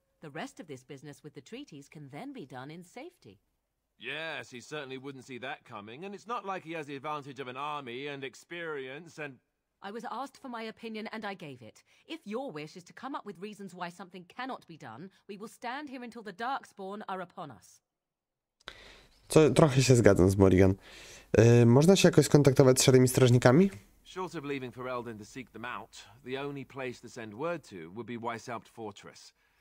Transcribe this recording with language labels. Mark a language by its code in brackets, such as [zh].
[en] The rest of this business with the treaties can then be done in safety. Yes, he certainly wouldn't see that coming, and it's not like he has the advantage of an army and experience and... I was asked for my opinion and I gave it. If your wish is to come up with reasons why something cannot be done, we will stand here until the Darkspawn are upon us. [pl] Co, trochę się zgadzam z Morrigan. Można się jakoś skontaktować z szarymi strażnikami? [en] Short of leaving Ferelden to seek them out, the only place to send word to would be Weishaupt Fortress.